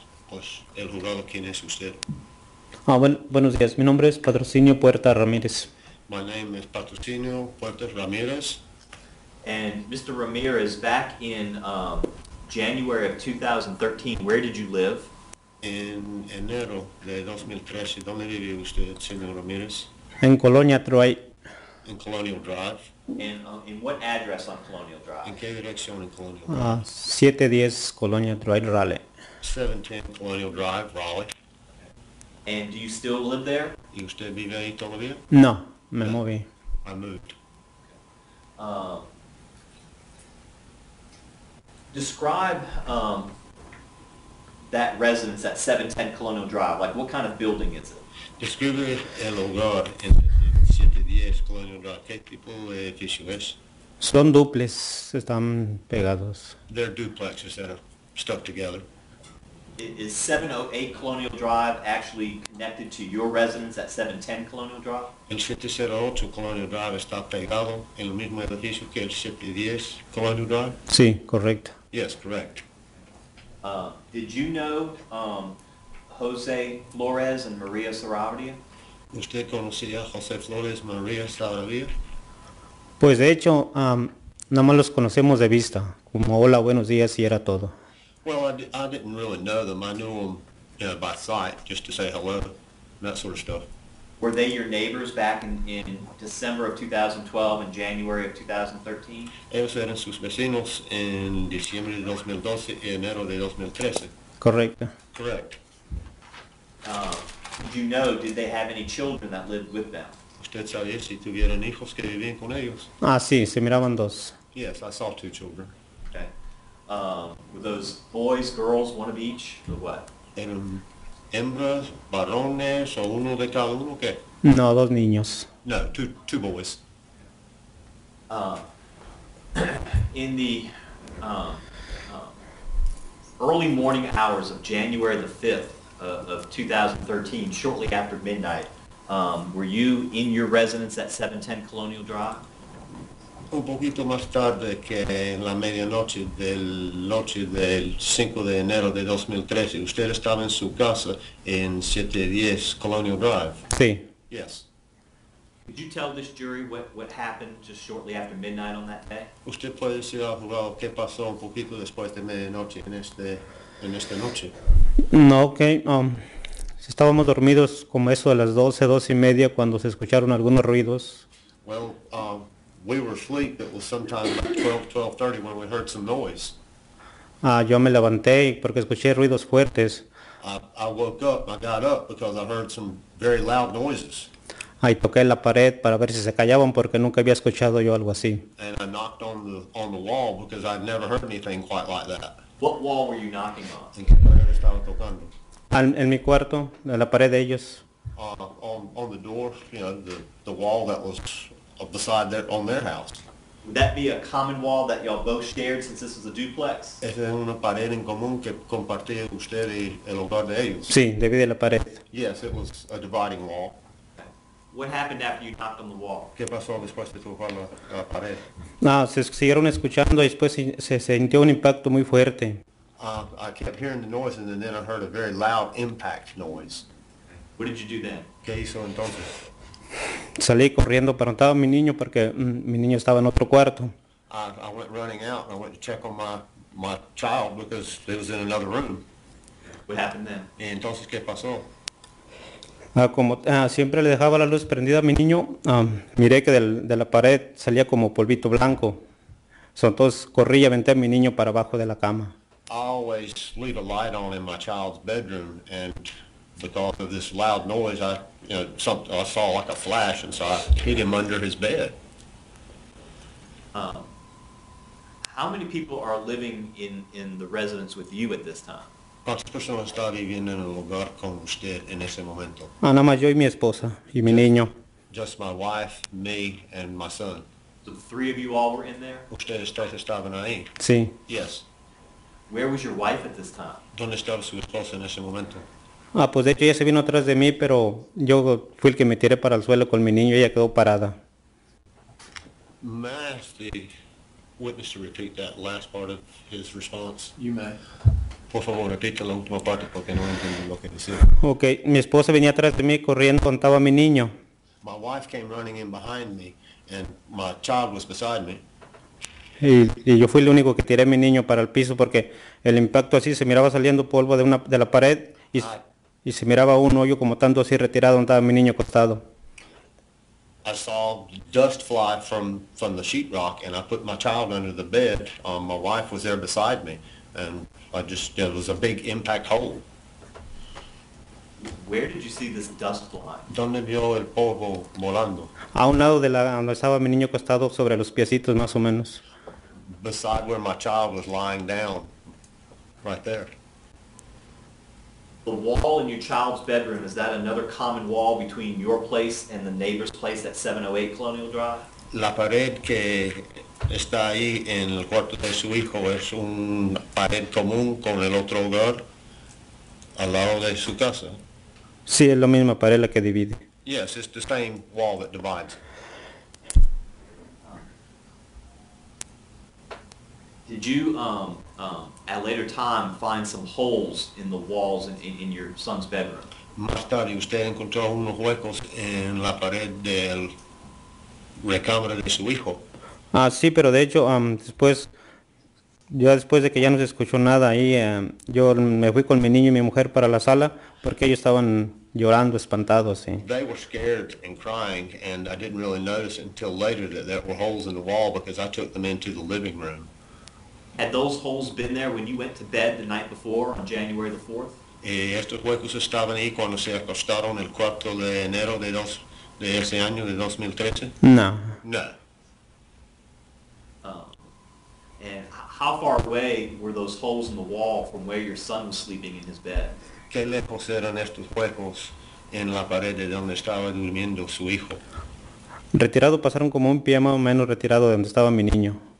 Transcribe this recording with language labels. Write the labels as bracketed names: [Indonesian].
[Spanish] Pues el juzgado, ¿quién es usted? Ah, buenos días. Mi nombre es Patrocinio Puerta Ramírez. [English] My name is Patrocinio Puerta Ramírez. And Mr. Ramirez, back in January of 2013, where did you live? In [Spanish] enero de 2013, ¿dónde vivía usted, señor Ramirez? En Colonia Troy. [English] In Colonial Drive. And what address on Colonial Drive? [Spanish] En qué dirección en Colonial Drive? 710 Colonial Drive, Raleigh. [English] 710 Colonial Drive, Raleigh. And do you still live there? [Spanish] ¿Y usted vive ahí todavía? No, me moví. [English] I moved. Describe that residence at 710 Colonial Drive. Like, what kind of building is it? [Spanish] Describe el hogar en 710 Colonial Drive. ¿Qué tipo de edificio es? Son duples, están pegados. [English] They're duplexes that are stuck together. Is 708 Colonial Drive actually connected to your residence at 710 Colonial Drive? [Spanish] El 708 Colonial Drive está pegado en el mismo edificio que el 710 Colonial Drive? Sí, [English] correct. Yes, correct. Did you know Jose Flores and Maria Saravia? [Spanish] ¿Usted conocía a Jose Flores y Maria Saravia? Pues de hecho, nada más los conocemos de vista, como hola, buenos días, y era todo. [English] Well, I didn't really know them. I knew them, you know, by sight, just to say hello, that sort of stuff. Were they your neighbors back in December of 2012 and January of 2013? [Spanish] Ellos eran sus vecinos en diciembre de 2012 y enero de 2013. Correcto. [English] Correct. Did you know, did they have any children that lived with them? [Spanish] ¿Usted sabía si tuvieron hijos que vivían con ellos? Ah, sí, se miraban dos. [English] Yes, I saw two children. Okay. Were those boys, girls, one of each, or what? [Spanish] Eran hembras, varones, o uno de cada uno, ¿qué? No, dos niños. [English] No, two boys. In the early morning hours of January the 5th of 2013, shortly after midnight, were you in your residence at 710 Colonial Drive? [Spanish] Un poquito más tarde que en la medianoche del noche del 5 de enero de 2013, usted estaba en su casa en 710 Colonial Drive. Sí. [English] Yes. Could you tell this jury what happened just shortly after midnight on that day? [Spanish] Usted puede decir al jurado qué pasó un poquito después de medianoche en esta noche. No, okay. Estábamos dormidos como eso a las 12, 12 y media cuando se escucharon algunos ruidos. [English] Well, we were asleep. It was sometime like 12:30 when we heard some noise. [Spanish] Yo me levanté porque escuché ruidos fuertes. [English] I woke up. I got up because I heard some very loud noises. [Spanish] Y toqué la pared para ver si se callaban porque nunca había escuchado yo algo así. [English] And I knocked on the wall because I'd never heard anything quite like that. What wall were you knocking on? [Spanish] ¿En qué pared estaba tocando? En mi cuarto, en la pared de ellos. [English] On the door, you know, the wall that was beside that on their house. Would that be a common wall that y'all both shared since this was a duplex? [Spanish] Es una pared en común que compartía usted y el hogar de ellos. Sí, debido a la pared. [English] Yes, it was a dividing wall. What happened after you knocked on the wall? [Spanish] ¿Qué pasó después de tocar la pared? Se siguieron escuchando y después se sintió un impacto muy fuerte. [English] I kept hearing the noise and then I heard a very loud impact noise. What did you do then? [Spanish] ¿Qué hizo entonces? Salí corriendo para notar a mi niño porque mi niño estaba en otro cuarto. [English] I went running out and I went to check on my child because he was in another room. What happened then? [Spanish] ¿Y entonces qué pasó? Como siempre le dejaba la luz prendida a mi niño, miré que de la pared salía como polvito blanco. So, entonces corrí y aventé a mi niño para abajo de la cama. [English] I always leave a light on in my child's bedroom and because of this loud noise, I saw like a flash, and so I hid him under his bed. How many people are living in the residence with you at this time? [Spanish] ¿Cuántas personas están viviendo en el hogar con usted en ese momento? Nada más yo y mi esposa y mi niño. [English] Just my wife, me, and my son. So the three of you all were in there? [Spanish] Ustedes tres estaban ahí. Sí. [English] Yes. Where was your wife at this time? [Spanish] ¿Dónde estaba su esposa en ese momento? Pues de hecho ella se vino atrás de mí, pero yo fui el que me tiré para el suelo con mi niño y ella quedó parada. [English] May I ask the witness to repeat that last part of his response? You may. [Spanish] Por favor, repite la última parte porque no entiendo lo que decía. Okay, mi esposa venía atrás de mí corriendo, contaba a mi niño. [English] My wife came running in behind me and my child was beside me. [Spanish] Y yo fui el único que tiré a mi niño para el piso porque el impacto así se miraba saliendo polvo de la pared y se miraba un hoyo como tanto así retirado donde estaba mi niño acostado. [English] I saw dust fly from the sheetrock, and I put my child under the bed. My wife was there beside me, and I just, it was a big impact hole. Where did you see this dust fly? [Spanish] ¿Dónde vio el polvo volando? A un lado de la donde estaba mi niño acostado sobre los piecitos, más o menos. [English] Beside where my child was lying down, right there. The wall in your child's bedroom, is that another common wall between your place and the neighbor's place at 708 Colonial Drive? [Spanish] La pared que está ahí en el cuarto de su hijo es un pared común con el otro hogar al lado de su casa. Sí, es la misma pared la que divide. [English] Yes, it's the same wall that divides. Did you at later time find some holes in the walls in your son's bedroom? [Spanish] Más tarde usted encontró unos huecos en la pared del recámara de su hijo. Ah, sí, pero de hecho después ya después de que ya no se escuchó nada ahí, yo me fui con mi niño y mi mujer para la sala porque ellos estaban llorando espantados, sí. [English] They were scared and crying, and I didn't really notice until later that there were holes in the wall because I took them into the living room. Had those holes been there when you went to bed the night before on January the 4th? [Spanish] Estos huecos estaban ahí cuando se acostaron el 4 de enero de ese año de 2013? No. [English] No. And how far away were those holes in the wall from where your son was sleeping in his bed? [Spanish] ¿Qué lejos eran estos huecos en la pared de donde estaba durmiendo su hijo? Retirado, pasaron como un pie más o menos retirado de donde estaba mi niño.